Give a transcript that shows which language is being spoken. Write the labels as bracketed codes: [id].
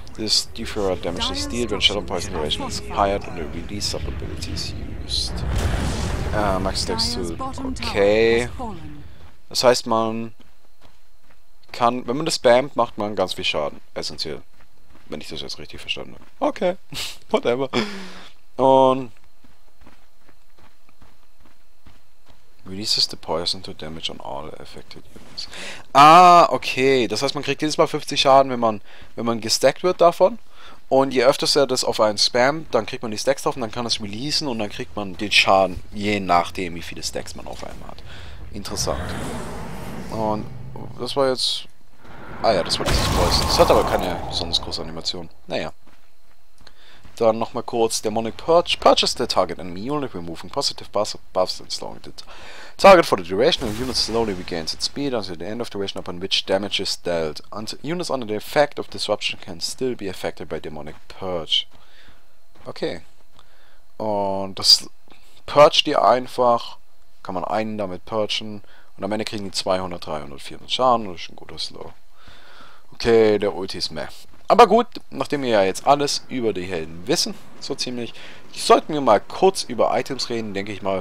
[en] This deferred damage is dealt when Shadow Poison Duration is higher than the release sub abilities used. Max Stacks 2. Okay. [de] Das heißt, man kann, wenn man das spammt, macht man ganz viel Schaden. Essentiell. Wenn ich das jetzt richtig verstanden habe. Okay. Whatever. Und. [en] Releases the poison to damage on all affected units. Ah, okay. [de] Das heißt, man kriegt jedes Mal 50 Schaden, wenn man gestackt wird davon. Und je öfter er das auf einen spammt, dann kriegt man die Stacks drauf und dann kann es releasen und dann kriegt man den Schaden, je nachdem, wie viele Stacks man auf einmal hat. Interessant. Und das war jetzt. Ah ja, das war dieses Poison. Das hat aber keine besonders große Animation. Naja. Dann nochmal kurz, [en] Demonic Purge purchase the target and unit removing positive buffs and slowing the target for the duration and unit slowly regains its speed until the end of duration upon which damage is dealt. And units under the effect of disruption can still be affected by Demonic Purge. Okay. [de] Und das purge die einfach, kann man einen damit purgen und am Ende kriegen die 200, 300, 400 Schaden, das ist ein guter Slow. Okay, der Ulti ist meh. Aber gut, nachdem wir ja jetzt alles über die Helden wissen, so ziemlich, sollten wir mal kurz über Items reden, denke ich mal.